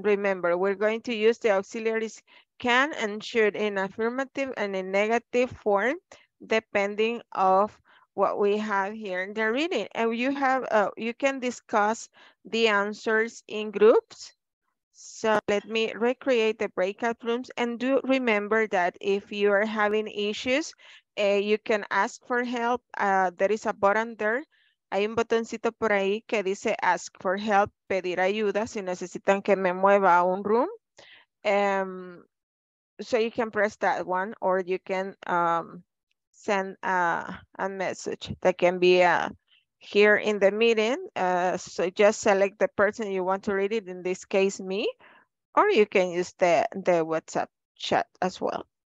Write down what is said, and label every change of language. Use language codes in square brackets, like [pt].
[en] Remember, we're going to use the auxiliaries can and should in affirmative and in negative form, depending of what we have here in the reading. And you have, you can discuss the answers in groups. So let me recreate the breakout rooms, and do remember that if you are having issues, you can ask for help. There is a button there. [es] Hay un botoncito por ahí que dice [en] ask for help, [es] pedir ayuda, si necesitan que me mueva a un room. [en] So you can press that one, or you can send a message that can be here in the meeting. So just select the person you want to read it, in this case me, or you can use the WhatsApp chat as well.